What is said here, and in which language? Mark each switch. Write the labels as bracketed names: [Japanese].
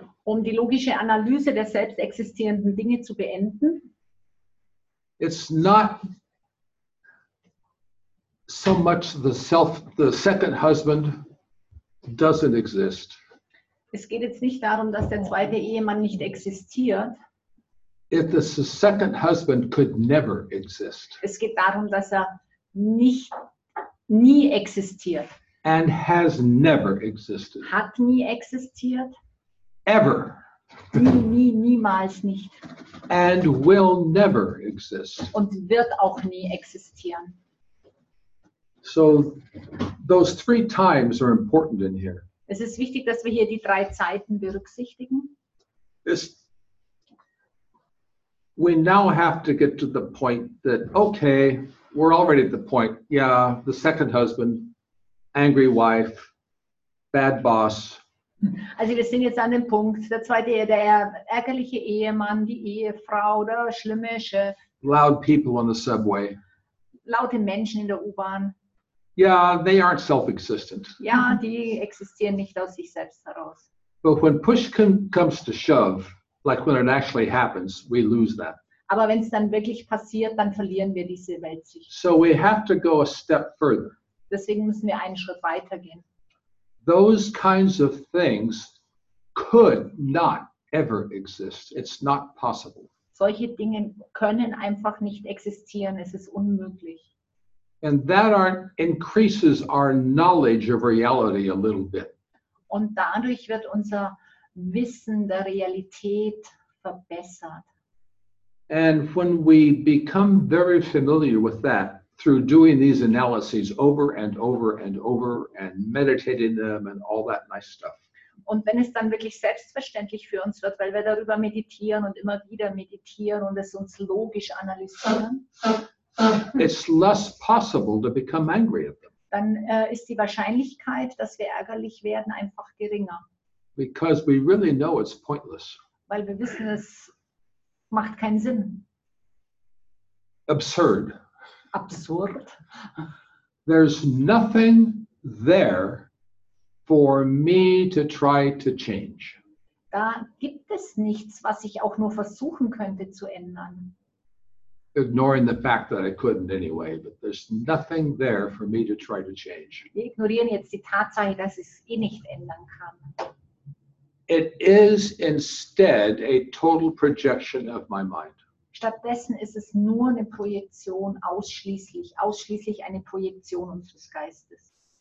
[German] Um die logische Analyse der selbst existierenden Dinge zu beenden. [English] It's not so much the self, the second husband doesn't exist. [German] Es geht jetzt nicht darum, dass der zweite Ehemann nicht existiert. [English] If the second husband could never exist. [German] Es geht darum, dass er nicht, nie existiert. [English] And has never existed. [German] Hat nie existiert. [English] Ever. [German] Nie, nie, niemals nicht. [English] And will never exist. [German] Und wird auch nie existieren. [English] So those three times are important in here. [German] Es ist wichtig, dass wir hier die drei Zeiten berücksichtigen. [English] We now have to get to the point that, okay, we're already at the point. Yeah, the second husband, angry wife, bad boss. [German] Also wir sind jetzt an dem Punkt, der zweite, der ärgerliche Ehemann, die Ehefrau, der schlimme Chef. [English] Loud people on the subway. [German] Laute Menschen in der U-Bahn. [English] Yeah, they aren't self-existent. [German] Ja, die existieren nicht aus sich selbst heraus. [English] But when push comes to shove, like when it actually happens, we lose that. [German] Aber wenn es dann wirklich passiert, dann verlieren wir diese Weltsicht. [English] So we have to go a step further. [German] Deswegen müssen wir einen Schritt weitergehen. [English] Those kinds of things could not ever exist. It's not possible. [German] Solche Dinge können einfach nicht existieren. Es ist unmöglich. [English] And that increases our knowledge of reality a little bit. [German] Und dadurch wird unser Wissen der Realität verbessert. [English] And when we become very familiar with that through doing these analyses over and over and over and meditating them and all that nice stuff. [German] Und wenn es dann wirklich selbstverständlich für uns wird, weil wir darüber meditieren und immer wieder meditieren und es uns logisch analysieren. [English] It's less possible to become angry at them. [German] Dann ist die Wahrscheinlichkeit, dass wir ärgerlich werden, einfach geringer. [English] Because we really know it's pointless. [German] Weil wir wissen, es macht keinen Sinn. [English] Absurd. [German] Absurd. [English] There's nothing there for me to try to change. [German] Da gibt es nichts, was ich auch nur versuchen könnte zu ändern. [English] Ignoring the fact that I couldn't anyway, but there's nothing there for me to try to change. [German] Wir ignorieren jetzt die Tatsache, dass ich es eh nicht ändern kann. [English] It is instead a total projection of my mind. [German] Stattdessen ist es nur eine Projektion, ausschließlich eine Projektion unseres Geistes.